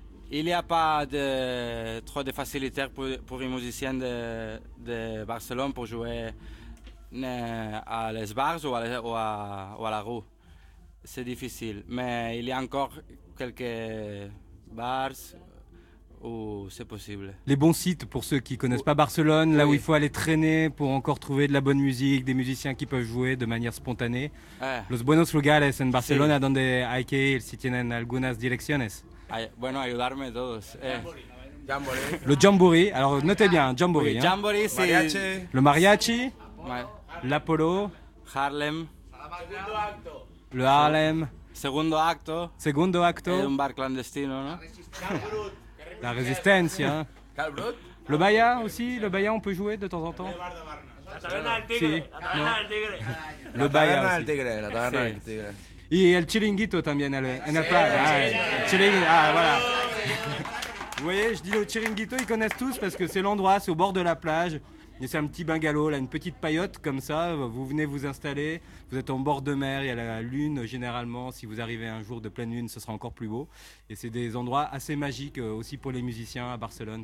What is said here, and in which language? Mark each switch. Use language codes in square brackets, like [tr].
[fr] Il n'y a pas trop de facilitaires pour les musiciens de Barcelone pour jouer à les bars ou à la rue. C'est difficile, mais il y a encore quelques bars où c'est possible. Les bons sites pour ceux qui ne connaissent pas Barcelone, là où il faut aller traîner pour encore trouver de la bonne musique, des musiciens qui peuvent jouer de manière spontanée. [es] Los buenos lugares en Barcelona, donde hay que ir si tienen algunas direcciones. Bueno, ayudarme todos. [fr] Jamboree. Le Jamboree, alors notez bien, Jamboree. Oui, Jamboree, hein. C'est... Mariachi. Le Mariachi. L'Apollo, Harlem, le Harlem, Segundo Acto, Segundo Acto, et un bar clandestin, non? La Résistance, hein? Calbrut? Le Baia aussi, le Baia on peut jouer de temps en temps? Le Baia aussi. La Taverna del Tigre. Et [es] El Chiringuito también, en el Prado. [fr] Chiringuito, ah voilà. Vous voyez, je dis le Chiringuito, ils connaissent tous parce que c'est l'endroit, c'est au bord de la plage. C'est un petit bungalow, là, une petite paillote comme ça, vous venez vous installer, vous êtes en bord de mer, il y a la lune généralement, si vous arrivez un jour de pleine lune, ce sera encore plus beau. Et c'est des endroits assez magiques aussi pour les musiciens à Barcelone.